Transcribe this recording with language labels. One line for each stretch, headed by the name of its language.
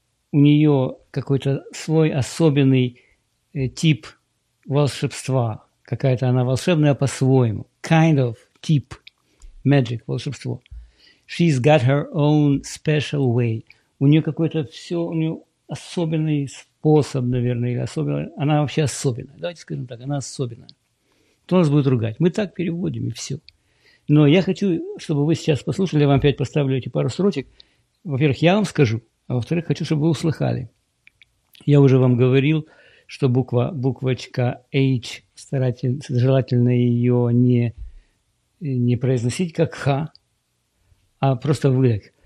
Russian: У нее какой-то свой особенный тип волшебства. Какая-то она волшебная по-своему.
English: Kind of, тип.
Russian: Magic, волшебство.
English: She's got her own special way.
Russian: У нее какой-то все, у нее особенный способ, наверное, или особенный. Она вообще особенная. Давайте скажем так, она особенная. Кто нас будет ругать? Мы так переводим, и все. Но я хочу, чтобы вы сейчас послушали, я вам опять поставлю эти пару строчек. Во-первых, я вам скажу, а во-вторых, хочу, чтобы вы услыхали. Я уже вам говорил, что буквочка H, желательно ее не произносить как Х, а просто выдох.